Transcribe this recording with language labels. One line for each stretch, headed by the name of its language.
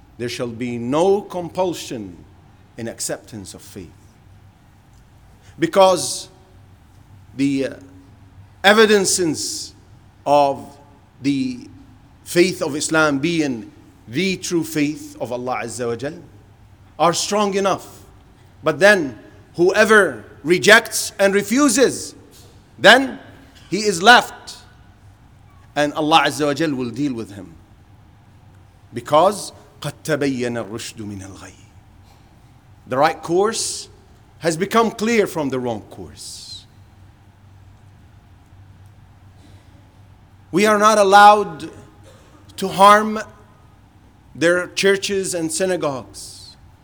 English: There shall be no compulsion in acceptance of faith, because the evidences of the faith of Islam being the true faith of Allah Azza wa Jal are strong enough. But then whoever rejects and refuses, then he is left, and Allah Azza wa Jal will deal with him. Because
Arabic: قَدْ تَبَيَّنَ الرُّشْدُ مِنَ الْغَيِّ.
English: The right course has become clear from the wrong course. We are not allowed to harm their churches and synagogues.